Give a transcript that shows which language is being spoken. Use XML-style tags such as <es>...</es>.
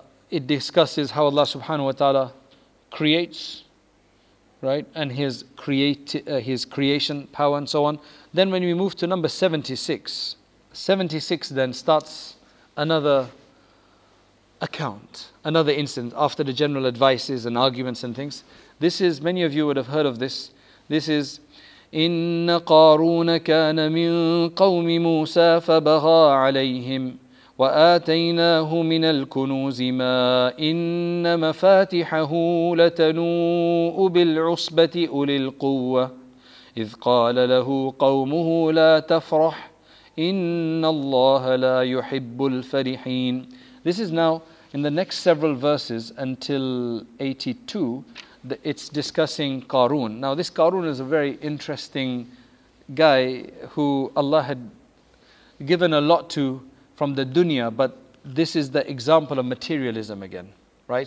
<en>It discusses how Allah subhanahu wa ta'ala creates, right, and his creation power and so on. Then when we move to number 76 then starts another account, another instance after the general advices and arguments and things. This is, many of you would have heard of this. This is,</en> <ar>Inna Qaruna kana min qawmi Musa fabagha alayhim وآتيناه من الكنوز ما إن مفاتحه لتنوء بالعصبة أولي القوة إذ قال له قومه لا تفرح إن الله لا يحب الفرحين.</ar> <en>This is now in the next several verses until 82. It's discussing Qarun. Now this Qarun is a very interesting guy who Allah had given a lot to from the dunya, but this is the example of materialism again, right?</en>